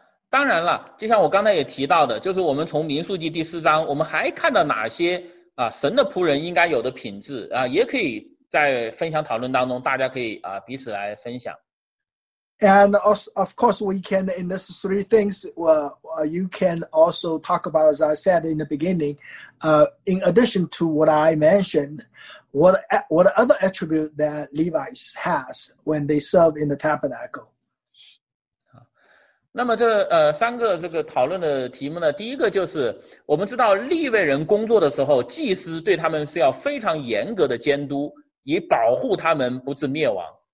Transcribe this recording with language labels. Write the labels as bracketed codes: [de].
[zh] 当然了，就像我刚才也提到的，就是我们从民数记第四章，我们还看到哪些神的仆人应该有的品质也可以在分享讨论当中，大家可以彼此来分享。 [en] And also, of course, we can in these three things. You can also talk about, as I said in the beginning, in addition to what I mentioned, what other attribute that Levites has when they serve in the tabernacle. [zh] 那么这三个这个讨论的题目呢，第一个就是我们知道利未人工作的时候，祭司对他们是要非常严格的监督，以保护他们不致灭亡。